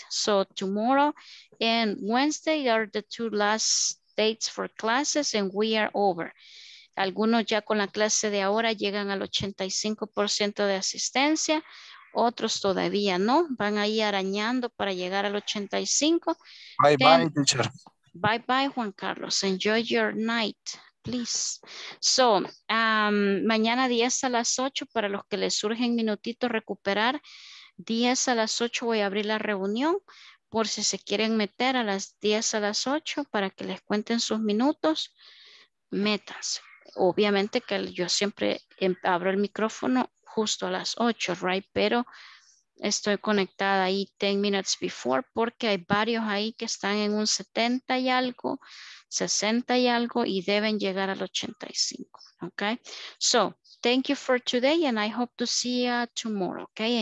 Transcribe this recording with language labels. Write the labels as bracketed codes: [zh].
[en] So tomorrow and Wednesday are the 2 last dates for classes and we are over. [es] Algunos ya con la clase de ahora llegan al 85% de asistencia. Otros todavía no, van ahí arañando para llegar al 85. [en] Bye, bye, teacher. Bye, bye, Juan Carlos. Enjoy your night. please. [es] So, mañana 10 a las 8, para los que les surgen minutitos recuperar, 10 a las 8 voy a abrir la reunión, por si se quieren meter a las 10 a las 8, para que les cuenten sus minutos, metas. Obviamente que yo siempre abro el micrófono justo a las 8, right? Pero estoy conectada ahí [en] 10 minutes before, [es] porque hay varios ahí que están en un 70 y algo, 60 y algo, y deben llegar al 85, okay? [en] So, thank you for today, and I hope to see you tomorrow, okay?